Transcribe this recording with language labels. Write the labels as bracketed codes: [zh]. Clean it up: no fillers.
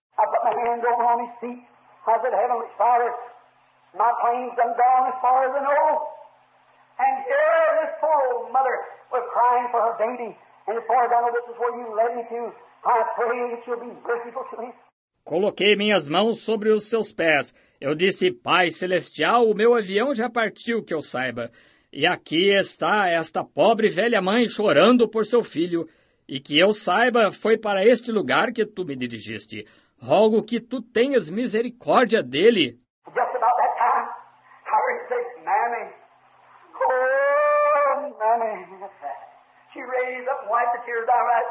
[en] I put my hand over on his seat. I said, Heavenly Father, my plane's been gone as far as I know. And here this poor old mother was crying for her baby. And as far as I know, this is where you led me to. I pray that you'll be merciful to me. [pt] Coloquei minhas mãos sobre os seus pés. Eu disse, Pai Celestial, o meu avião já partiu, que eu saiba. E aqui está esta pobre velha mãe chorando por seu filho. E que eu saiba, foi para este lugar que tu me dirigiste. Rogo que tu tenhas misericórdia dele. [en] Just about that time, Harry said, Mammy. Oh, Mammy. She raised up and wiped the tears out of her eyes.